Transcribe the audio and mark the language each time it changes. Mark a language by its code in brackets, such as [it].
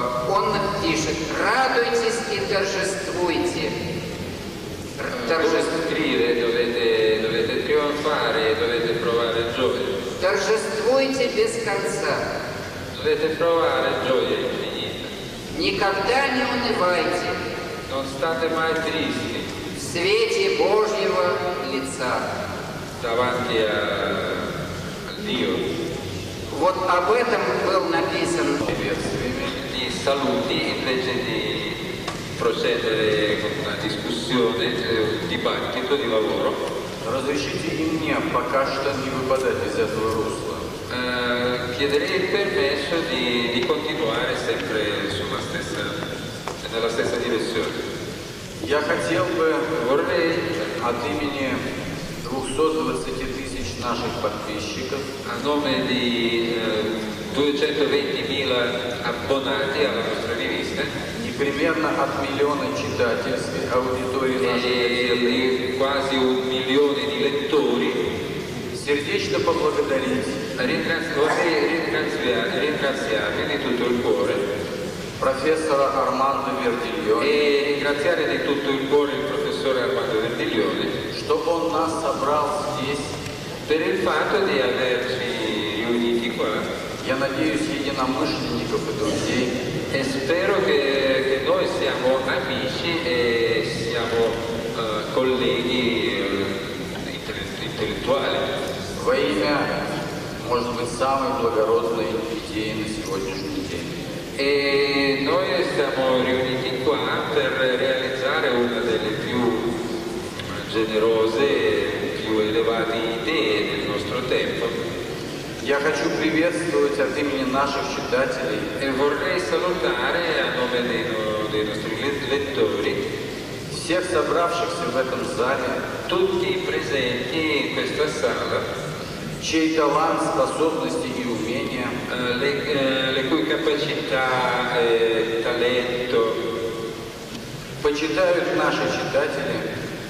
[ru] Он пишет: радуйтесь и торжествуйте. [it] Dovete trionfare, dovete provare gioia. [ru] Торжествуйте без конца. [it] Dovete provare gioia infinita. [ru] Никогда не унывайте. [it] Non state mai tristi. [ru] В свете Божьего лица. [it] Davanti a Dio. [ru] Вот об этом был написан. [it] Saluti invece di procedere con una discussione, un dibattito di lavoro. [ru] Разрешите и мне пока что не выпадать из этого русла. [it] Chiederei il permesso di continuare sempre sulla stessa, nella stessa direzione. [ru] Я хотел бы от имени 220.000 наших подписчиков, [it] a nome di 220.000 abbonati alla nostra rivista [ru] e примерно от миллиона читателей аудитории нашей [it] quasi un milione di lettori [ru] сердечно поблагодарить [it] ringraziare di tutto il cuore professore Armando Vertiglione e ringraziare di tutto il cuore il professore Armando Vertiglione [ru] что он нас собрал здесь [it] per il fatto di averci riuniti qua. [ru] Я надеюсь, единомышленников и друзей. [it] E spero che noi siamo amici e siamo colleghi intellettuali. [ru] Во имя, может быть, самой благородной идеи на сегодняшний день. [it] E noi siamo riuniti qua per realizzare una delle più generose, più elevate idee del nostro tempo. [ru] Я хочу приветствовать от имени наших читателей. [it] E vorrei salutare a nome dei nostri lettori. [ru] Всех собравшихся в этом зале. [it] Tutti presenti in questa sala. [ru] Чей талант, способности и умения. [it] Le cui capacità, talento. [ru] Почитают наши читатели.